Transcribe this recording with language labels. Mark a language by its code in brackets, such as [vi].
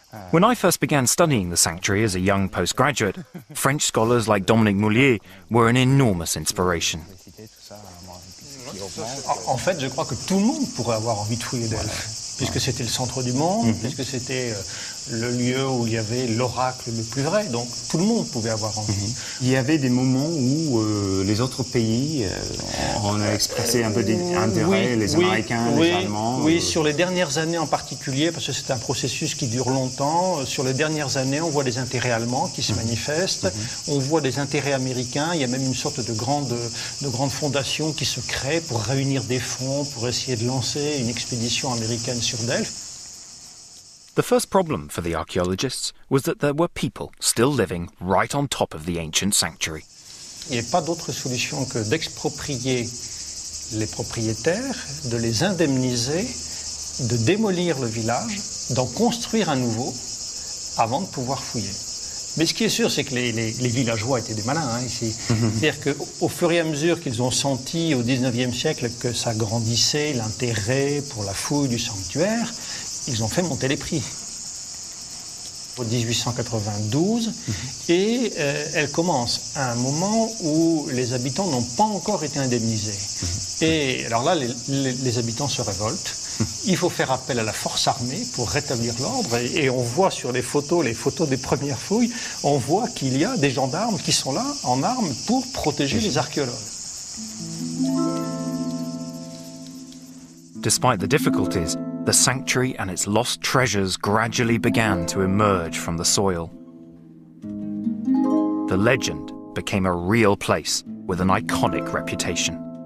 [en] When I first began studying the sanctuary as a young postgraduate, French scholars like Dominique Moulier were an enormous inspiration. [fr] En fait, je crois que tout le monde pourrait avoir envie de fouiller Delphi, puisque c'était le centre du monde, puisque c'était le lieu où il y avait l'oracle le plus vrai, donc tout le monde pouvait avoir envie. Mm-hmm. Il y avait des moments où les autres pays ont expressé un peu d'intérêt, les Américains, les Allemands. Oui, sur les dernières années en particulier, parce que c'est un processus qui dure longtemps, sur les dernières années, on voit des intérêts allemands qui se manifestent, on voit des intérêts américains, il y a même une sorte de grande fondation qui se crée pour réunir des fonds, pour essayer de lancer une expédition américaine sur Delphi. [en] The first problem for the archaeologists was that there were people still living right on top of the ancient sanctuary. [fr] Il n'y a pas d'autre solution que d'exproprier les propriétaires, de les indemniser, de démolir le village, d'en construire à nouveau avant de pouvoir fouiller. Mais ce qui est sûr, c'est que les villageois étaient des malins, hein, ici. C'est-à-dire qu'au fur et à mesure qu'ils ont senti au 19e siècle que ça grandissait l'intérêt pour la fouille du sanctuaire, ils ont fait monter les prix. En 1892, elle commence à un moment où les habitants n'ont pas encore été indemnisés. Et alors là, les habitants se révoltent. Il faut faire appel à la force armée pour rétablir l'ordre. Et on voit sur les photos des premières fouilles, on voit qu'il y a des gendarmes qui sont là en armes pour protéger les archéologues. [en] Despite the difficulties, the sanctuary and its lost treasures gradually began to emerge from the soil. the legend became a real place with an iconic reputation.